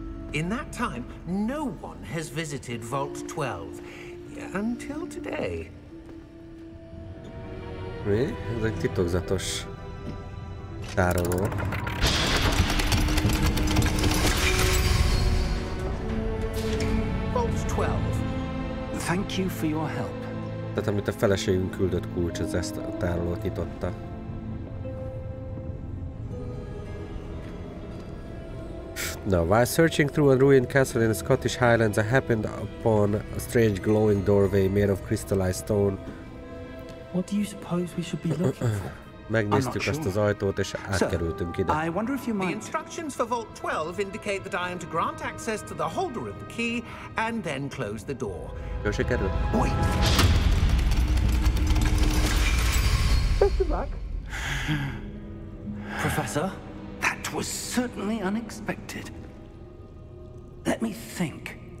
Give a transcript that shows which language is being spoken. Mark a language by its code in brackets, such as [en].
[en] In that time, no one has visited Vault 12. Until today. [hu] Mi? Ez egy titokzatos tároló. [en] Vault 12. Thank you for your help. [hu] Tehát amit a feleségünk küldött kulcs, az ezt a tárolót nyitotta. [en] Now, while searching through a ruined castle in the Scottish Highlands, I happened upon a strange glowing doorway made of crystallized stone. What do you suppose we should be looking for? [hu] Megnéztük azt az ajtót, és átkerültünk ide. [en] I wonder if you might... The instructions for Vault 12 indicate that I am to grant access to the holder of the key and then close the door. [hu] Jó, sikerült. [en] Wait! Best of luck. Professor? That was certainly unexpected. Let me think.